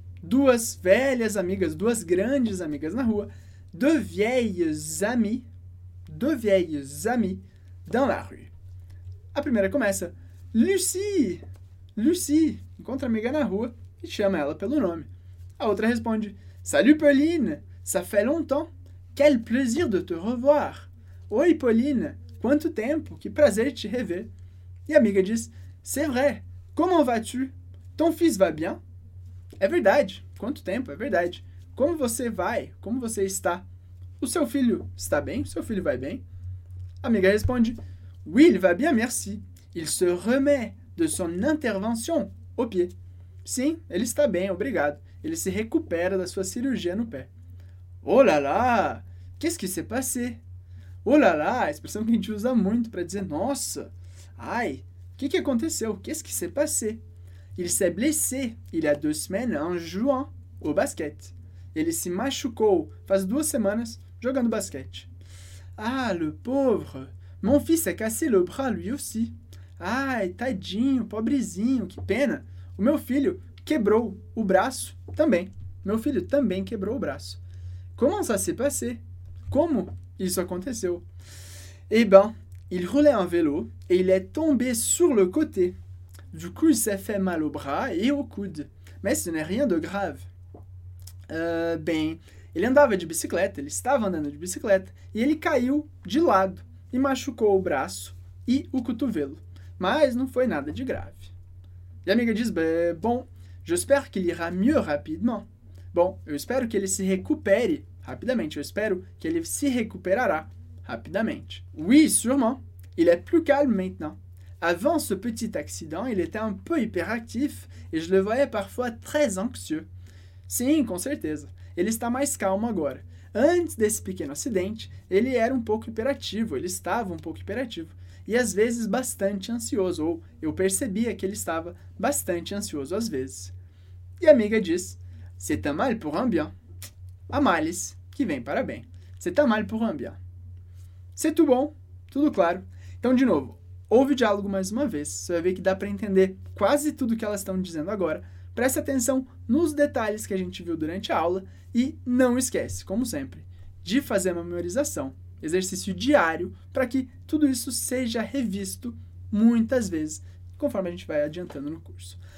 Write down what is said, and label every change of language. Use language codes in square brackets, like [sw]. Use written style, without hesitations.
[pt] Duas velhas amigas, duas grandes amigas na rua, [fr] deux vieilles amies dans la rue. [pt] A primeira começa, Lucie, encontra a amiga na rua e chama ela pelo nome. A outra responde, [fr] salut Pauline, ça fait longtemps, quel plaisir de te revoir. [pt] Oi, Pauline, quanto tempo, que prazer te rever. E a amiga diz, [fr] c'est vrai, comment vas-tu? Ton fils va bien? [pt] É verdade, quanto tempo, é verdade. Como você vai? Como você está? O seu filho está bem? O seu filho vai bem? A amiga responde, [fr] oui, il va bien, merci. Il se remet de son intervention au pied. [pt] Sim, ele está bem, obrigado. Ele se recupera da sua cirurgia no pé. [fr] Oh là là, qu'est-ce qui s'est passé? [pt] Oh là là, a expressão que a gente usa muito para dizer nossa, ai, que aconteceu? [fr] Qu'est-ce qui s'est passé? Il s'est blessé il y a deux semaines en jouant au basket. [pt] Ele se machucou faz duas semanas jogando basquete. [fr] Ah, le pauvre, mon fils a cassé le bras lui aussi. [pt] Ai, tadinho, pobrezinho, que pena. O meu filho quebrou o braço também. Meu filho também quebrou o braço. [fr] Comment ça s'est passé? [pt] Como isso aconteceu? [fr] Eh ben, il roulait en vélo et il est tombé sur le côté. Du coup, il s'est fait mal au bras et au coude. Mais ce n'est rien de grave. [pt] Bem, ele andava de bicicleta, ele estava andando de bicicleta, e ele caiu de lado e machucou o braço e o cotovelo. Mas não foi nada de grave. E a amiga diz, bom, [fr] j'espère qu'il ira mieux rapidement. [pt] Bom, eu espero que ele se recupere rapidamente. Eu espero que ele se recuperará rapidamente. [fr] Oui, sûrement. Il est plus calme maintenant. Avant ce petit accident, il était un peu hyperactif et je le voyais parfois très anxieux. [pt] Sim, com certeza. Ele está mais calmo agora. Antes desse pequeno acidente, ele era um pouco hiperativo. Ele estava um pouco hiperativo. E às vezes bastante ansioso. Ou eu percebia que ele estava bastante ansioso às vezes. E a amiga diz, [fr] c'est un mal pour un bien. [pt] Há males que vêm para bem. [fr] C'est un mal pour un bien. C'est tout bon? [pt] Tudo claro. Então, de novo, ouve o diálogo mais uma vez. Você vai ver que dá para entender quase tudo que elas estão dizendo agora. Preste atenção nos detalhes que a gente viu durante a aula e não esquece, como sempre, de fazer a memorização, exercício diário, para que tudo isso seja revisto muitas vezes, conforme a gente vai adiantando no curso.